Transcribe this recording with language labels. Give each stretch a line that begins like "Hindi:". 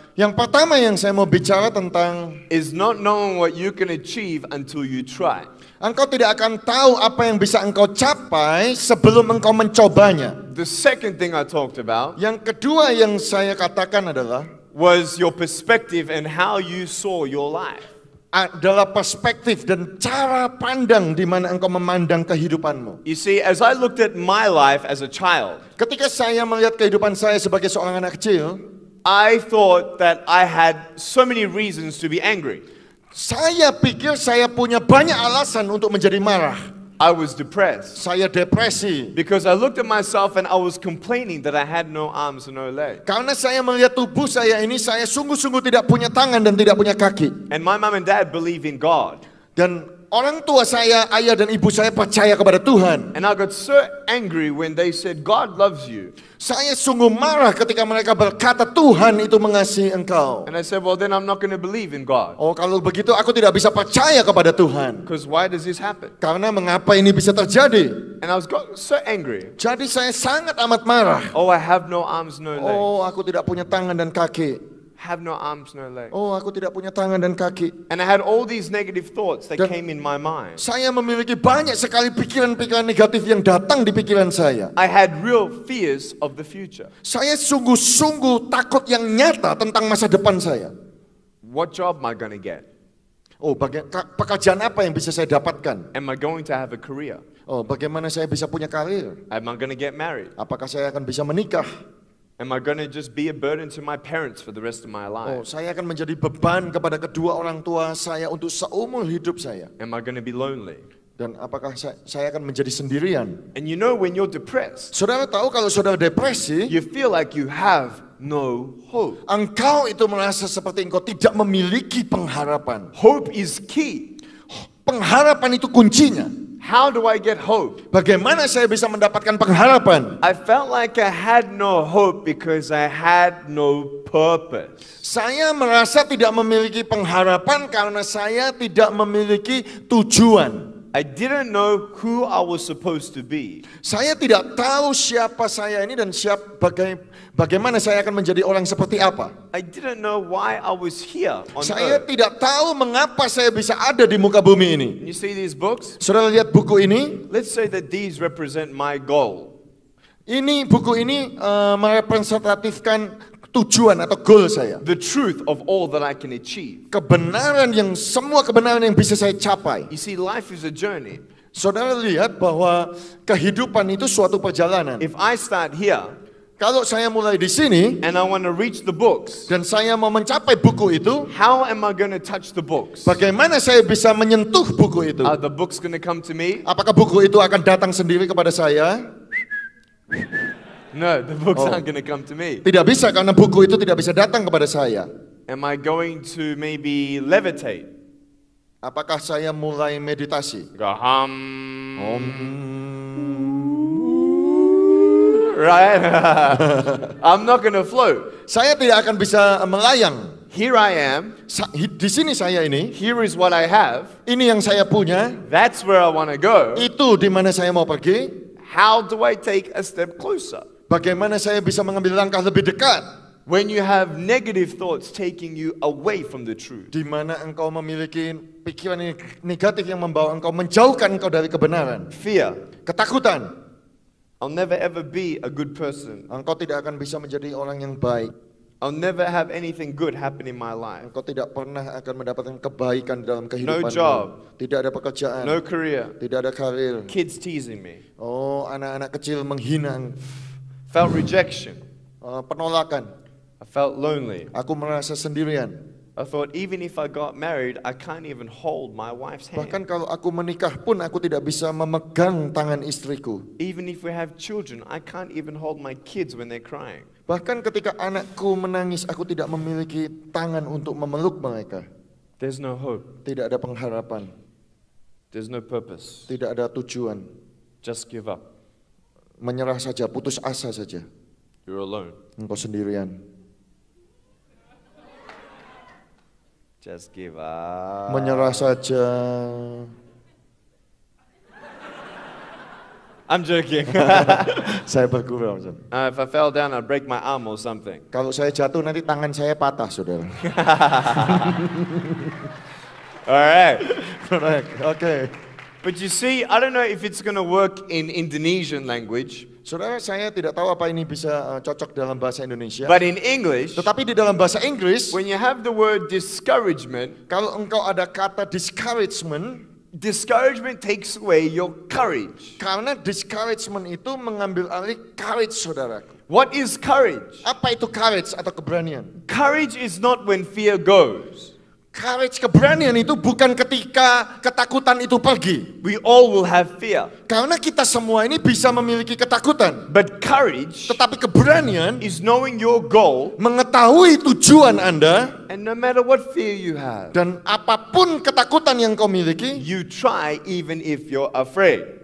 Indonesian: Yang pertama yang saya mau bicara tentang.
English: Is not knowing what you can achieve until you try.
Indonesian: Engkau tidak akan tahu apa yang bisa engkau capai sebelum engkau mencobanya.
English: The second thing I talked about.
Indonesian: Yang kedua yang saya katakan adalah.
English: Was your perspective and how you saw your life.
Indonesian: Adalah perspektif dan cara pandang di mana engkau memandang kehidupanmu.
English: You see, as I looked at my life as a child.
Indonesian: Ketika saya melihat kehidupan saya sebagai seorang anak kecil.
English: I thought that I had so many reasons to be angry.
Indonesian: Saya pikir saya punya banyak alasan untuk menjadi marah.
English: I was depressed.
Indonesian: Saya depresi.
English: Because I looked at myself and I was complaining that I had no arms and no legs.
Indonesian: Karena saya melihat tubuh saya ini, saya sungguh-sungguh tidak punya tangan dan tidak punya kaki.
English: And my mom and dad believe in God.
Indonesian: Dan orang tua saya, ayah dan ibu saya percaya kepada Tuhan.
English: And I got so angry when they said God loves you.
Indonesian: Saya sungguh marah ketika mereka berkata Tuhan itu mengasihi engkau.
English: And I said, well then I'm not going to believe in God.
Indonesian: Oh, kalau begitu aku tidak bisa percaya kepada Tuhan.
English: Because why does this happen?
Indonesian: Karena mengapa ini bisa terjadi?
English: And I was got so angry.
Indonesian: Jadi saya sangat amat marah.
English: Oh, I have no arms, no legs.
Indonesian: Oh, aku tidak punya tangan dan kaki.
English: Have no arms, no legs.
Indonesian: Oh, aku tidak punya tangan dan kaki.
English: And I had all these negative thoughts that came in my mind.
Indonesian: Saya memiliki banyak sekali pikiran-pikiran negatif yang datang di pikiran saya.
English: I had real fears of the future.
Indonesian: Saya sungguh-sungguh takut yang nyata tentang masa depan saya.
English: What job am I going to get?
Indonesian: Oh, pekerjaan apa yang bisa saya dapatkan?
English: Am I going to have a career?
Indonesian: Oh, bagaimana saya bisa punya karir?
English: Am I going to get married?
Indonesian: Apakah saya akan bisa menikah?
English: Am I going to just be a burden to my parents for the rest of my life?
Indonesian: Oh, saya akan menjadi beban kepada kedua orang tua saya untuk seumur hidup saya.
English: Am I going to be lonely?
Indonesian: Dan apakah saya akan menjadi sendirian?
English: And you know when you're depressed.
Indonesian: Saudara tahu kalau saudara depresi,
English: you feel like you have no hope.
Indonesian: Engkau itu merasa seperti engkau tidak memiliki pengharapan.
English: Hope is key.
Indonesian: Pengharapan itu kuncinya.
English: How do I get hope?
Indonesian: Bagaimana saya bisa mendapatkan pengharapan?
English: I felt like I had no hope because I had no purpose.
Indonesian: Saya merasa tidak memiliki pengharapan karena saya tidak memiliki tujuan.
English: I didn't know who I was supposed to be.
Indonesian: Saya tidak tahu siapa saya ini dan bagaimana saya akan menjadi orang seperti apa.
English: I didn't know why I was here on earth.
Indonesian: Saya tidak tahu mengapa saya bisa ada di muka bumi ini.
English: You see these books?
Indonesian: Saudara lihat buku ini?
English: Let's say that these represent my goal.
Indonesian: Ini buku ini merepresentatifkan tujuan atau goal saya.
English: The truth of all that I can achieve.
Indonesian: Kebenaran yang semua kebenaran yang bisa saya capai.
English: You see, life is a journey.
Indonesian: Saudara lihat bahwa kehidupan itu suatu perjalanan.
English: If I start here,
Indonesian: kalau saya mulai di sini,
English: and I want to reach the books,
Indonesian: dan saya mau mencapai buku itu,
English: how am I going to touch the books?
Indonesian: Bagaimana saya bisa menyentuh buku itu?
English: Are the books going to come to me?
Indonesian: Apakah buku itu akan datang sendiri kepada saya?
English: No, the books aren't going to come to me.
Indonesian: Tidak bisa karena buku itu tidak bisa datang kepada saya.
English: Am I going to maybe levitate?
Indonesian: Apakah saya mulai meditasi? Gaham. Om.
English: Right. I'm not going to float.
Indonesian: Saya tidak akan bisa melayang.
English: Here I am.
Indonesian: Di sini saya ini.
English: Here is what I have.
Indonesian: Ini yang saya punya.
English: That's where I want to go.
Indonesian: Itu di mana saya mau pergi.
English: how do I take a step closer?
Indonesian: Bagaimana saya bisa mengambil langkah lebih dekat?
English: When you have negative thoughts taking you away from the truth.
Indonesian: Di mana engkau memiliki pikiran negatif yang membawa engkau menjauhkan engkau dari kebenaran?
English: Fear.
Indonesian: Ketakutan.
English: I'll never ever be a good person.
Indonesian: Engkau tidak akan bisa menjadi orang yang baik.
English: I'll never have anything good happen in my life.
Indonesian: Engkau tidak pernah akan mendapatkan kebaikan dalam kehidupan.
English: No job.
Indonesian: Tidak ada pekerjaan.
English: No career.
Indonesian: Tidak ada karir.
English: Kids teasing me.
Indonesian: Oh, anak-anak kecil menghina.
English: Felt rejection.
Indonesian: Penolakan.
English: I felt lonely.
Indonesian: Aku merasa sendirian.
English: I thought even if I got married, I can't even hold my wife's hand.
Indonesian: Bahkan kalau aku menikah pun aku tidak bisa memegang tangan istriku.
English: Even if we have children, I can't even hold my kids when they're crying.
Indonesian: Bahkan ketika anakku menangis, aku tidak memiliki tangan untuk memeluk mereka.
English: There's no hope.
Indonesian: Tidak ada pengharapan.
English: There's no purpose.
Indonesian: Tidak ada tujuan.
English: Just give up.
Indonesian: Menyerah saja, putus asa saja.
English: You're alone.
Indonesian: Engkau sendirian.
English: Just give up.
Indonesian: Menyerah saja.
English: I'm joking.
Indonesian: Saya bergurau, Jon.
English: If I fell down, I'd break my arm or something.
Indonesian: Kalau saya jatuh nanti tangan saya patah, Saudara.
English: All right. Okay. But you see, I don't know if it's going to work in Indonesian language.
Indonesian: Saudara, saya tidak tahu apa ini bisa cocok dalam bahasa Indonesia.
English: But in English,
Indonesian: tetapi di dalam bahasa Inggris,
English: when you have the word discouragement,
Indonesian: kalau engkau ada kata discouragement,
English: discouragement takes away your courage.
Indonesian: Karena discouragement itu mengambil alih courage, saudaraku.
English: What is courage?
Indonesian: Apa itu courage atau keberanian?
English: Courage is not when fear goes.
Indonesian: Courage, keberanian itu bukan ketika ketakutan itu pergi.
English: We all will have fear.
Indonesian: Karena kita semua ini bisa memiliki ketakutan.
English: But courage,
Indonesian: tetapi keberanian,
English: is knowing your goal,
Indonesian: mengetahui tujuan Anda,
English: and no matter what fear you have,
Indonesian: dan apapun ketakutan yang kau miliki,
English: you try even if you're afraid.